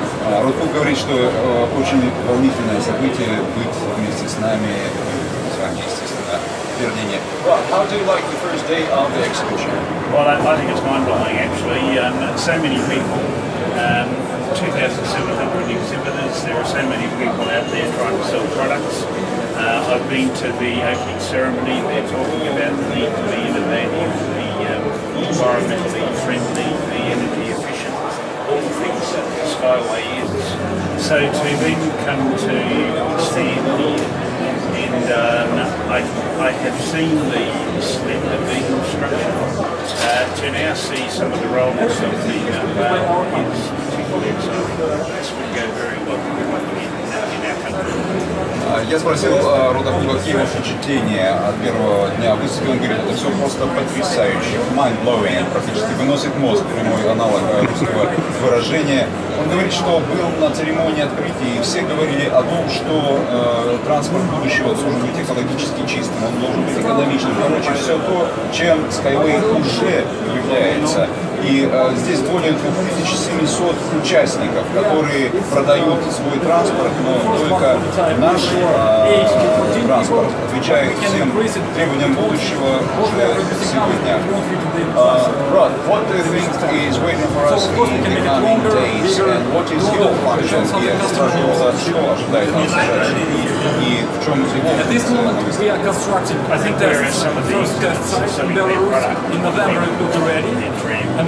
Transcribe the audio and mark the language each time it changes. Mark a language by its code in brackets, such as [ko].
[ru] Родхук говорит, что очень волнительное событие быть вместе с нами, с вами, естественно, вернее. [en] How do you like the first day of the exhibition? Well, I think it's mind-blowing, actually. So many people, 2,700 exhibitors, there are so many people out there trying to sell products. I've been to the opening ceremony, they're talking about the need to be innovative, the environmentally friendly, the energy efficient. All the things that the Skyway is. So to then come to Stanley and I have seen the slender beam structure, to now see some of the rollers of the is particularly exciting. This would go very well for [ru] Я спросил Рода Хука, какие его впечатления от первого дня выставки. Он говорит, это все просто потрясающе, mind-blowing, практически выносит мозг, прямой аналог русского выражения. Он говорит, что был на церемонии открытия, и все говорили о том, что транспорт будущего должен быть экологически чистым, он должен быть экономичным. Короче, все то, чем Skyway уже является. И здесь более 2700 участников, которые продают свой транспорт, но только наш транспорт отвечает всем требованиям будущего уже сегодня. [en] Rod, what do you think is waiting for us in the coming days, and what is your function here? [ru] Скажу, что ожидает нас и в чем его функция? [en] I think there are some of these tests in Belarus in November and Bulgaria.